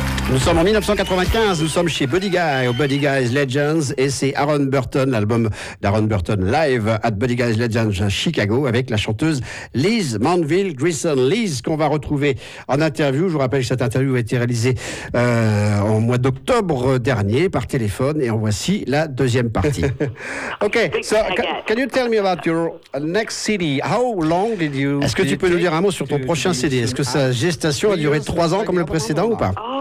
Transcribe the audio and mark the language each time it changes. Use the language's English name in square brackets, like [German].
[French] Nous sommes en 1995, nous sommes chez Buddy Guy, au Buddy Guy's Legends, et c'est Aaron Burton, l'album d'Aaron Burton live at Buddy Guy's Legends à Chicago, avec la chanteuse Liz Manville Grissom. Liz, qu'on va retrouver en interview, je vous rappelle que cette interview a été réalisée en mois d'octobre dernier, par téléphone, et en voici la deuxième partie. [English] Ok, so, can you tell me about your next CD? How long did you... [French] Est-ce que tu peux nous dire un mot sur ton prochain CD? Est-ce que sa gestation a duré 3 ans comme le précédent ou pas?